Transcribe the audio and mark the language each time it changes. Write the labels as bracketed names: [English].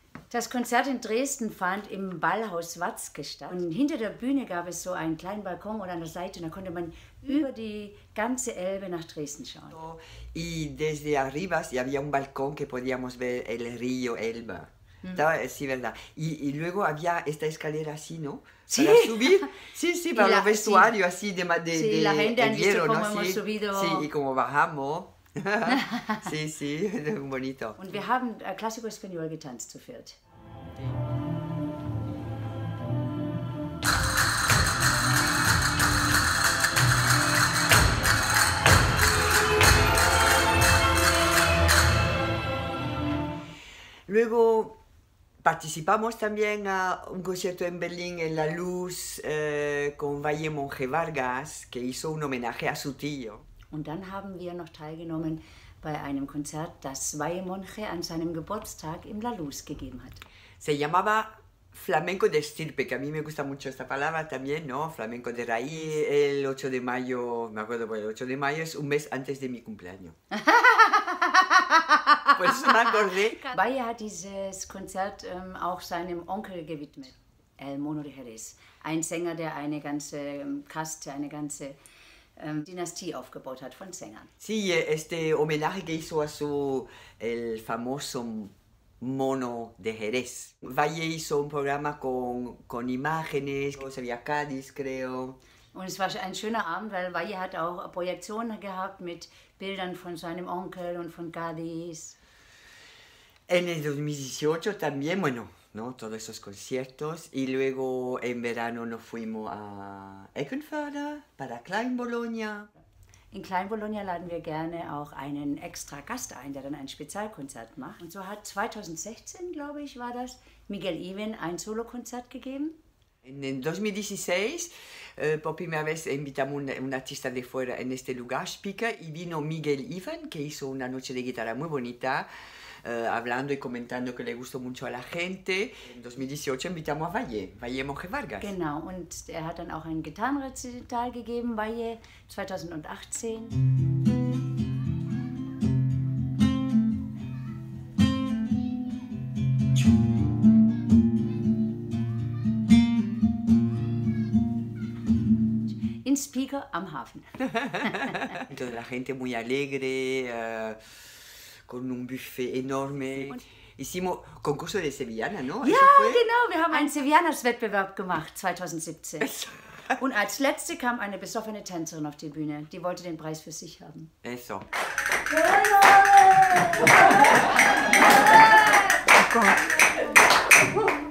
[German] Das Konzert in Dresden fand im Ballhaus Watzke statt. Und hinter der Bühne gab es so einen kleinen Balkon oder eine Seite, und da konnte man über die ganze Elbe nach Dresden schauen. [Spanish] Y desde arriba sí había un balcón que podíamos ver el río Elba. Sí, verdad. Y luego había esta escalera así, ¿no? Sí. Para subir. Sí, sí, para los vestuarios así de hierro, ¿no? Sí, la gente han visto cómo hemos subido. Sí, y cómo bajamos. Sí, sí, bonito. [German] Und wir haben Clásico Español getanzt zu viert. [Spanish] Luego participamos también a un concierto en Berlín en La Luz con Valle Monge Vargas, que hizo un homenaje a su tío. [German] Und dann haben wir noch teilgenommen bei einem Konzert, das Valle Monge an seinem Geburtstag im La Luz gegeben hat. [Spanish] Se llamaba Flamenco de Estirpe, que a mí me gusta mucho esta palabra también, ¿no? Flamenco de Raíz, el 8 de mayo, me acuerdo, el 8 de mayo es un mes antes de mi cumpleaños. Pues me acordé. [German] Valle hat dieses Konzert auch seinem Onkel gewidmet, El Mono de Jerez. Ein Sänger, der eine ganze Kaste, eine ganze... Dynastie aufgebaut hat von Sängern. [Spanish] Sí, este homenaje que hizo a su el famoso Mono de Jerez. Valle hizo un programa con imágenes, se había Cádiz, creo. [German] Und es war ein schöner Abend, weil Valle hat auch Projektionen gehabt mit Bildern von seinem Onkel und von Cádiz. [Spanish] En el 2018 también, bueno, ¿no? Todos esos conciertos. Y luego en verano nos fuimos a Eckenförde para Klein Bologna. [German] In Klein Bologna laden wir gerne auch einen extra Gast ein, der dann ein Spezialkonzert macht. Und so hat 2016, glaube ich, war das, Miguel Even ein Solokonzert gegeben. [Spanish] En el 2016, por primera vez invitamos un artista de fuera en este lugar, Spica, y vino Miguel Even, que hizo una noche de guitarra muy bonita, hablando y comentando que le gustó mucho a la gente. En 2018 invitamos a Valle, Valle Monge Vargas. [German] Genau, und er hat dann auch ein Gitarrenrezital gegeben, Valle, 2018. In Spica am Hafen. [Spanish] Toda la gente muy alegre, con un buffet enorme. [German] Und [Spanish] hicimos concurso de Sevillana, ¿no? [German] Ja, genau, wir haben einen Sevillanas-Wettbewerb gemacht, 2017. Und als letzte kam eine besoffene Tänzerin auf die Bühne, die wollte den Preis für sich haben. [Spanish] Eso. [German] Oh Gott.